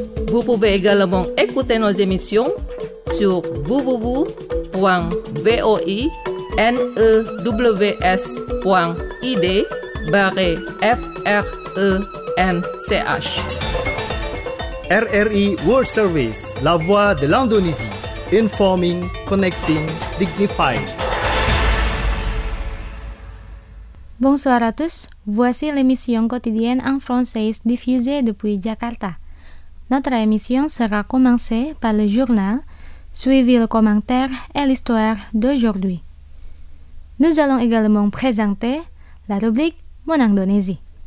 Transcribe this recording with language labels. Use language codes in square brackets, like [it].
[fr] Vous pouvez également écouter nos émissions sur www.voinews.id/french. RRI World Service, la voix de l'Indonésie. [en] Informing, connecting, dignifying. [fr] Bonsoir à tous, voici l'émission quotidienne en français diffusée depuis Jakarta. Notre émission sera commencée par le journal, suivi le commentaire et l'histoire d'aujourd'hui. Nous allons également présenter la rubrique Mon Indonésie.